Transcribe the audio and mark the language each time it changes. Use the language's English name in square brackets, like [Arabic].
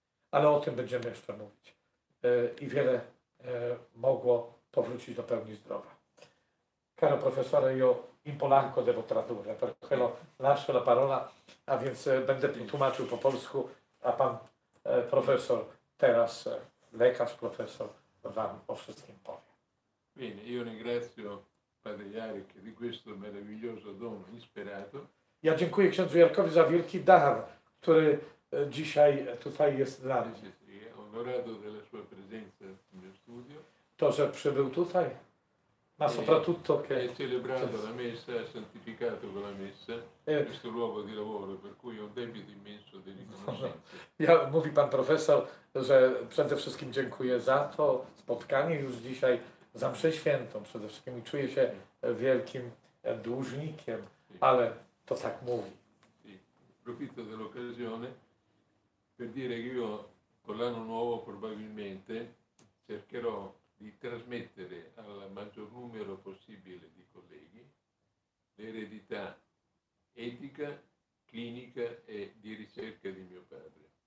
[Polish] Ale o tym będziemy jeszcze mówić. I wiele mogło powrócić do pełni zdrowia. [Italian] Caro profesore, io in polanco devo tradurre, per quello lascio la parola, [Polish] a więc będę tłumaczył po polsku, a pan profesor, teraz lekarz profesor, wam o wszystkim powie. [Italian] Bene, io ringrazio Padre Jarek di questo meraviglioso dono insperato. [Polish] Ja dziękuję księdzu Jarkowi za wielki dar, który dzisiaj tutaj jest dla mnie. [Italian] Onorato della sua presenza nel studio. [Polish] To, że przybył tutaj, [Italian] ma soprattutto che... E celebrato la messa, santificato con la messa, questo luogo di lavoro, per cui ho un debito immenso di riconoscenza. [Polish] Ja, mówi pan profesor, że przede wszystkim dziękuję za to spotkanie już dzisiaj, za mszę świętą przede wszystkim i czuję się wielkim dłużnikiem, ale to tak mówi. [Italian] Profitto dell'occasione per dire che io con l'anno nuovo probabilmente cercherò di trasmettere al maggior numero possibile di colleghi l'eredità etica, clinica e di ricerca di mio padre.